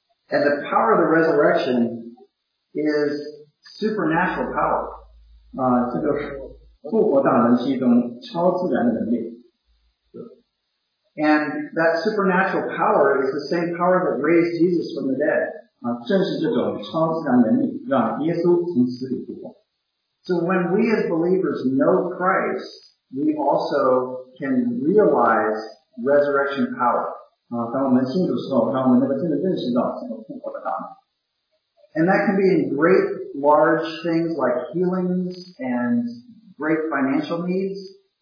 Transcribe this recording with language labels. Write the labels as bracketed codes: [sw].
[en] And the power of the resurrection is supernatural power. [zh] 这个复活大能是一种超自然的能力。 [en] And that supernatural power is the same power that raised Jesus from the dead. [zh] 正是这种超自然能力让耶稣从死里复活。 [en] So when we as believers know Christ, we also can realize resurrection power. [zh] 当我们信主的时候，当我们那个真的认识到这个复活的大能。 [en] And that can be in great, large things like healings and great financial needs.